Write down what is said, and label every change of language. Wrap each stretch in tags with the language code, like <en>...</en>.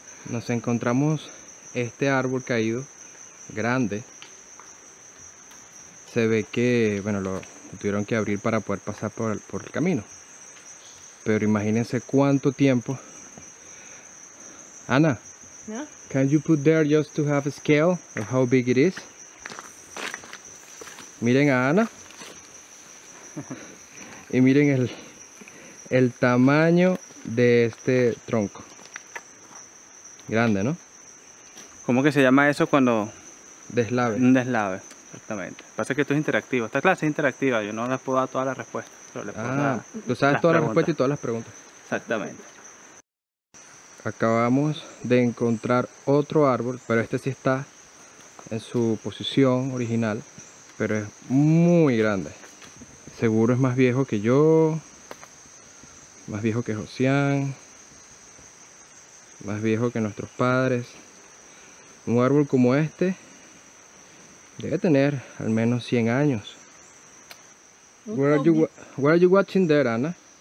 <es>Nos encontramos este árbol caído, grande. Se ve que, bueno, lo tuvieron que abrir para poder pasar por el camino. Pero imagínense cuánto tiempo. Ana, ¿no?</es> <en>Can you put there just to have a scale of how big it is?</en> <es>Miren a Ana y miren el tamaño de este tronco. Grande, ¿no? ¿Cómo que se llama eso cuando? Deslave. Un deslave, exactamente. Pasa que esto es interactivo. Esta clase es interactiva. Yo no les puedo dar todas las respuestas. Tú sabes todas las respuestas y todas las preguntas. Exactamente. Acabamos de encontrar otro árbol, pero este sí está en su posición original. Pero es muy grande. Seguro es más viejo que yo. Más viejo que Josián. Más viejo que nuestros padres. Un árbol como este Debe tener al menos 100 años.</es> <en>Where are you watching there, Anna?</en>